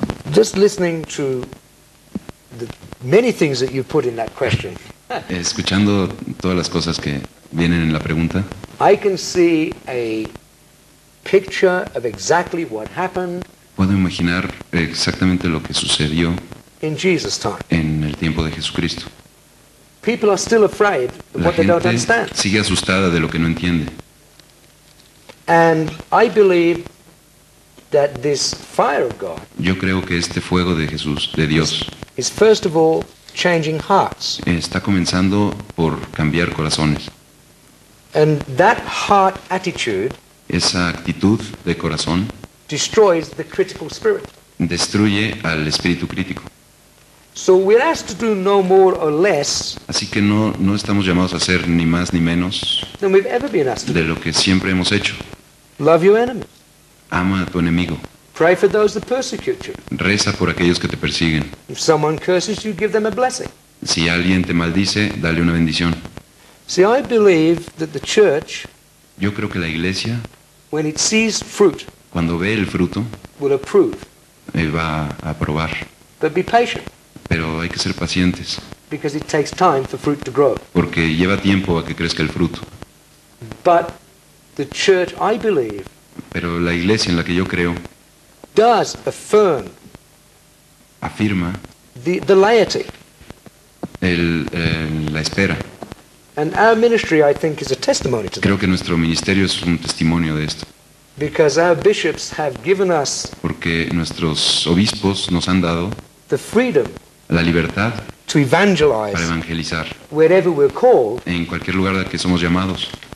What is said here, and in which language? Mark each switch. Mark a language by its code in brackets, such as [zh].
[en] Just listening to the many things that you put in that question. [es] Escuchando todas las cosas que vienen en la pregunta. [en] I can see a picture of exactly what happened. [es] Puedo imaginar exactamente lo que sucedió. [en] In Jesus' time. [es] En el tiempo de Jesucristo. [en] People are still afraid of what they don't understand. [es] Sigue asustada de lo que no entiende. [en] And I believe that this fire of God. [es] Yo creo que este fuego de Jesús, de Dios, [en] is first of all changing hearts. [es] Está comenzando por cambiar corazones. [en] And that heart attitude, [es] esa actitud de corazón, [en] destroys the critical spirit. [es] Destruye al espíritu crítico. [en] So we're asked to do no more or less. [es] Así que no estamos llamados a hacer ni más ni menos [en] than we've ever been asked to [es] de lo que siempre hemos hecho. [en] Love your enemy. [es] Ama a tu enemigo. [en] Pray for those that persecute you. [es] Reza por aquellos que te persiguen. [en] If someone curses you, give them a blessing. [es] Si alguien te maldice, dale una bendición. [en] See, I believe that the church, [es] yo creo que la iglesia, [en] when it sees fruit, [es] cuando ve el fruto, [en] will approve. [es] Va a aprobar. [en] But be patient. [es] Pero hay que ser pacientes. [en] Because it takes time for fruit to grow. [es] Porque lleva tiempo a que crezca el fruto. [en] But the church, I believe, [es] pero la iglesia en la que yo creo [en] does affirm [es] afirma [en] the laity, [es] la espera. [en] And our ministry, I think, is a testimony to that. [es] Creo que nuestro ministerio es un testimonio de esto. [en] Because our bishops have given us, [es] porque nuestros obispos nos han dado [en] the freedom, [es] la libertad, [en] to evangelize, [es] para evangelizar [en] wherever we're called, [es] en cualquier lugar a que somos llamados